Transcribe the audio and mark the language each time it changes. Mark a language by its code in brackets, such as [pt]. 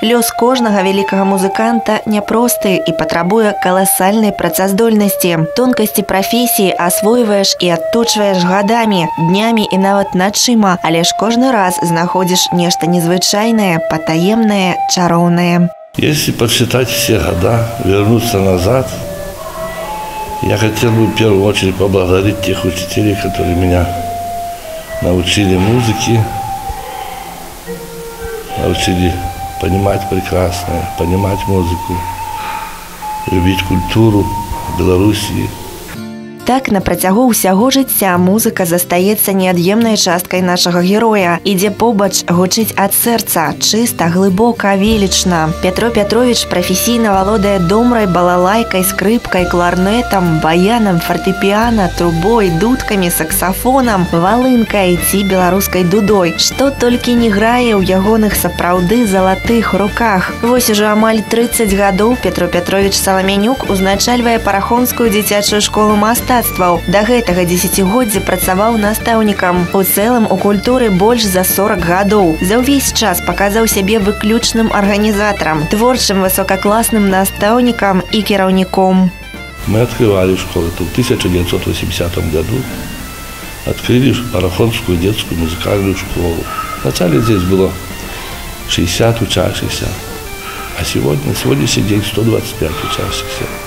[be] Лёс кожнага вялікага музыканта просты і патрабуе каласальнай працаздольнасці. Тонкасці прафесіі асвойваеш і адточваеш гадамі, днямі і нават начыма, але ж кожны раз знаходзіш нешта незвычайнае, патаемнае, чароўнае. [ru] Если подсчитать все года, вернуться назад, я хотел бы в первую очередь поблагодарить тех учителей, которые меня научили музыке, научили понимать прекрасное, понимать музыку, любить культуру Белоруссии. [be] Так, на протягу усяго жыцця музыка застаецца неад'емнай часткай нашага героя. Ідзе побач, гучыць ад сэрца, чыста, глыбока, велічна. Пятро Петрович прафесійна валодае домрай, балалайкай, скрыпкай, кларнетам, баянам, фартэпіана, трубой, дудкамі, саксафонам, валынкай ці беларускай дудой. Што толькі не грае ў ягоных сапраўды залатых руках. Вось ужо амаль 30 гадоў Пятро Петрович Саламянюк узначальвае Парахонскую дзіцячую школу мастацтваў. Да гэтага дзесяцігоддзя працаваў настаўнікам. У цэлым у культуры больш за 40 гадоў. За ўвесь час паказаў сябе выключным арганізатарам, творчым высокакласным настаўнікам і кіраўніком. Мы адкрывалі школу у 1980 году. Адкрылі Парахонскую дзецкую музыкальную школу. [ru] Вначале здесь было 60 учащихся, а сегодня, сегодняшний день 125 учащихся.